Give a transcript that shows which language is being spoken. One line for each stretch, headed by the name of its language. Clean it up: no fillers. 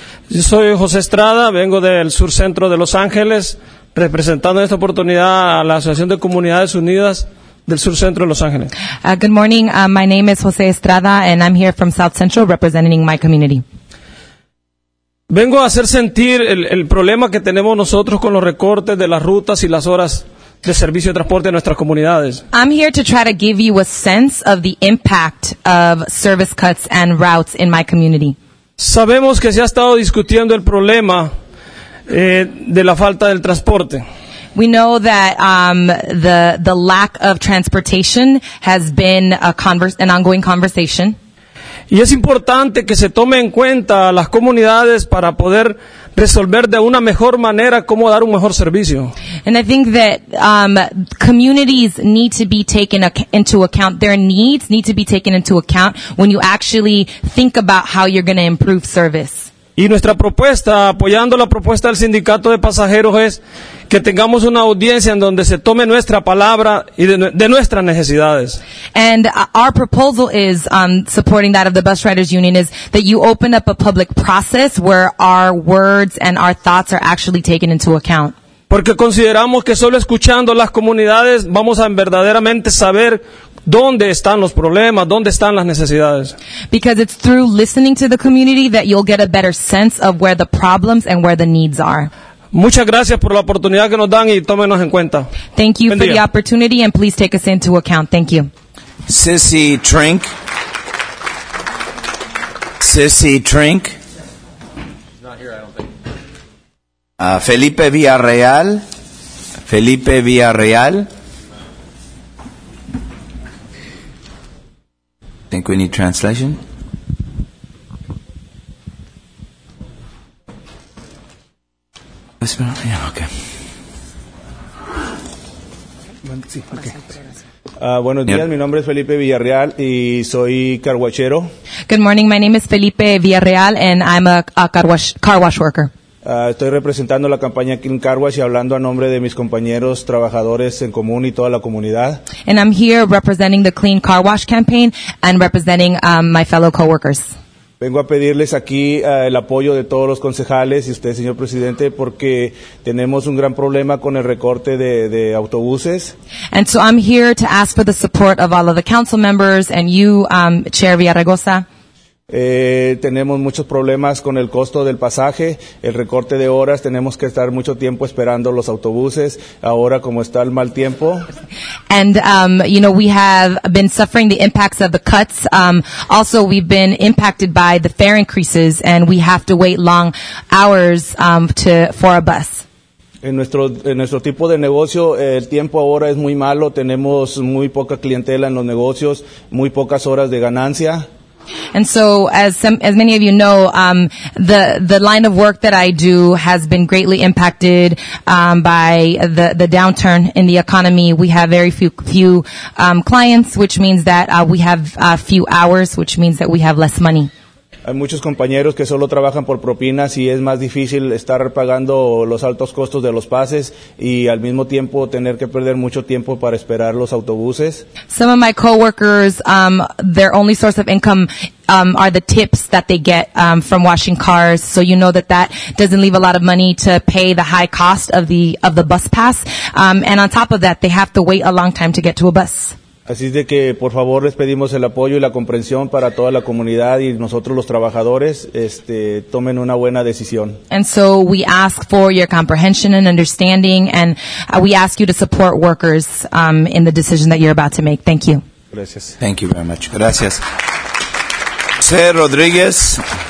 Spanish: Yo soy José Estrada, vengo del sur centro de Los Ángeles, representando en esta oportunidad a la Asociación de Comunidades Unidas del sur centro de Los Ángeles.
English: Good morning. My name is José Estrada, and I'm here from South Central representing my community.
Spanish: Vengo a hacer sentir el problema que tenemos nosotros con los recortes de las rutas y las horas de servicio de transporte en nuestras comunidades.
English: I'm here to try to give you a sense of the impact of service cuts and routes in my community.
Spanish: Sabemos que se ha estado discutiendo el problema de la falta del transporte.
English: We know that the lack of transportation has been an ongoing conversation.
Spanish: Y es importante que se tome en cuenta las comunidades para poder resolver de una mejor manera cómo dar un mejor servicio.
English: And I think that communities need to be taken into account. Their needs need to be taken into account when you actually think about how you're going to improve service.
Spanish: Y nuestra propuesta, apoyando la propuesta del sindicato de pasajeros, es que tengamos una audiencia en donde se tome nuestra palabra y de nuestras necesidades.
English: And our proposal is, supporting that of the Bus Riders Union, is that you open up a public process where our words and our thoughts are actually taken into account.
Spanish: Porque consideramos que solo escuchando las comunidades vamos a verdaderamente saber dónde están los problemas, dónde están las necesidades.
English: Because it's through listening to the community that you'll get a better sense of where the problems and where the needs are.
Spanish: Muchas gracias por la oportunidad que nos dan y tómenos en cuenta.
English: Thank you for the opportunity and please take us into account. Thank you. Sissy Trink. Sissy Trink. Felipe Villarreal. Felipe Villarreal. I think we need translation. Yeah, okay.
Spanish: Buenos días, mi nombre es Felipe Villarreal y soy carguachero.
English: Good morning, my name is Felipe Villarreal and I'm a car wash worker.
Spanish: Estoy representando la campaña Clean Car Wash y hablando a nombre de mis compañeros trabajadores en común y toda la comunidad.
English: And I'm here representing the Clean Car Wash campaign and representing my fellow coworkers.
Spanish: Vengo a pedirles aquí el apoyo de todos los concejales y usted, señor presidente, porque tenemos un gran problema con el recorte de autobuses.
English: And so I'm here to ask for the support of all of the council members and you, Chair Villaraigosa.
Spanish: Tenemos muchos problemas con el costo del pasaje, el recorte de horas, tenemos que estar mucho tiempo esperando los autobuses, ahora como está el mal tiempo.
English: And, you know, we have been suffering the impacts of the cuts. Also, we've been impacted by the fare increases and we have to wait long hours for a bus.
Spanish: En nuestro tipo de negocio, el tiempo ahora es muy malo, tenemos muy poca clientela en los negocios, muy pocas horas de ganancia.
English: And so, as many of you know, the line of work that I do has been greatly impacted by the downturn in the economy. We have very few clients, which means that we have few hours, which means that we have less money.
Spanish: Hay muchos compañeros que solo trabajan por propinas y es más difícil estar pagando los altos costos de los pases y al mismo tiempo tener que perder mucho tiempo para esperar los autobuses.
English: Some of my coworkers, their only source of income are the tips that they get from washing cars. So you know that that doesn't leave a lot of money to pay the high cost of the bus pass. And on top of that, they have to wait a long time to get to a bus.
Spanish: Así es de que, por favor, les pedimos el apoyo y la comprensión para toda la comunidad y nosotros los trabajadores, tomen una buena decisión.
English: And so we ask for your comprehension and understanding, and we ask you to support workers in the decision that you're about to make. Thank you.
Spanish: Gracias.
English: Thank you very much. Gracias. José Rodríguez.